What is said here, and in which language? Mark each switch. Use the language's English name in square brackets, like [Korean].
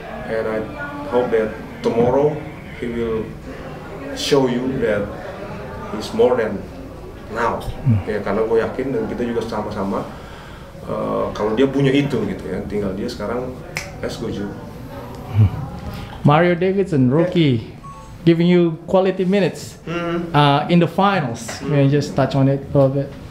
[English] And I hope that tomorrow he will show you that he's more than now. [Indonesian] Ya, karena gue yakin dan kita juga sama-sama kalau dia punya itu gitu ya, tinggal dia sekarang [English] let's go [Indonesian] Ju. [English] Mario Davidson, rookie, yeah, giving you quality minutes in the finals. Can you just touch on it a little bit?